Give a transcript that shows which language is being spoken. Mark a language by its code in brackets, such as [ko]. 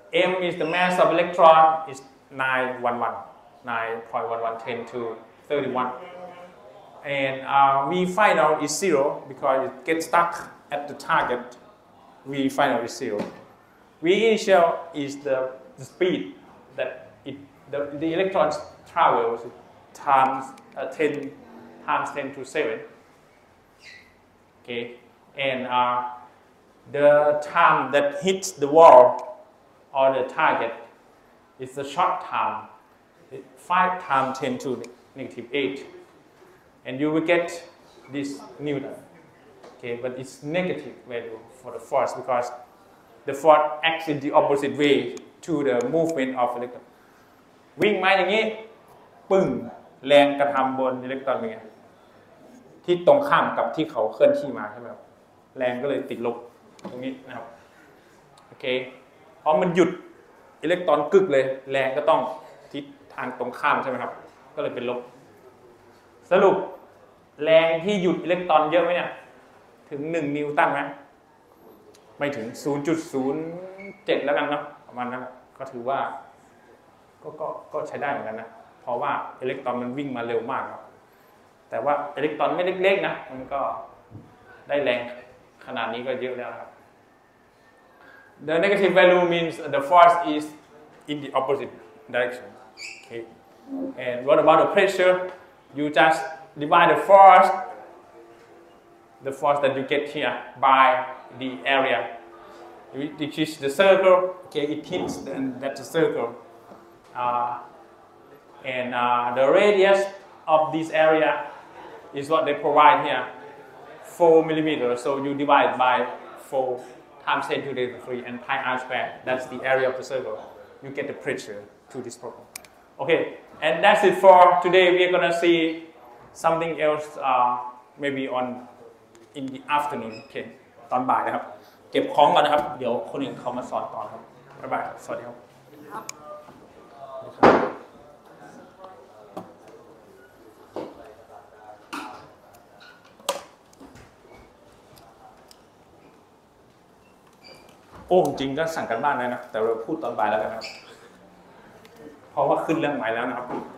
[en] m is the mass of electron is 9.11 10 to 31 and v final is 0 because it gets stuck at the target v final is 0 v initial is the speed that it the electrons travels times 10 times 10 to 7 okay and the time that hits the wall or the target It's the short time, 5 times 10 to negative 8. And you will get this Newton. Okay, but it's negative value for the force because the force acts in the opposite way to the movement of electron. [th] วิ่งมาอย่างนี้ปึ้งแรงกระทำบนอิเล็กตรอนเป็นไงที่ตรงข้ามกับที่เขาเคลื่อนที่มาใช่ไหมครับแรงก็เลยติดลบตรงนี้นะครับโอเคเพราะมันหยุดอิเล็กตรอนกึกเลยแรงก็ต้องทิศทางตรงข้ามใช่ไหมครับก็เลยเป็นลบสรุปแรงที่หยุดอิเล็กตรอนเยอะไหมเนี่ยถึง1นิวตันไหมไม่ถึง 0.07 แล้วกันเนาะประมาณนั้นก็ถือว่า ก็ใช้ได้เหมือนกันนะเพราะว่าอิเล็กตรอนมันวิ่งมาเร็วมากครับแต่ว่าอิเล็กตรอนไม่เล็กๆนะมันก็ได้แรงขนาดนี้ก็เยอะแล้วครับ [en] The negative value means the force is in the opposite direction. Okay. And what about the pressure? You just divide the force that you get here, by the area. Which is the circle. Okay, it hits, and that's a circle. The radius of this area is what they provide here. 4 millimeters, so you divide by 4. Times 10 to the 3 and pi r squared. That's the area of the circle. You get the pressure to this problem. Okay, and that's it for today. We are gonna see something else, maybe in the afternoon. [th] Okay, ตอนบ่ายนะครับเก็บของก่อนนะครับเดี๋ยวคนอื่นเขามาสอนต่อครับบ๊ายบายสวัสดีครับ โอ้จริงก็สั่งกันบ้านได้นะแต่เราพูดตอนบ่ายแล้วกันนะครับเพราะว่าขึ้นเรื่องใหม่แล้วนะครับ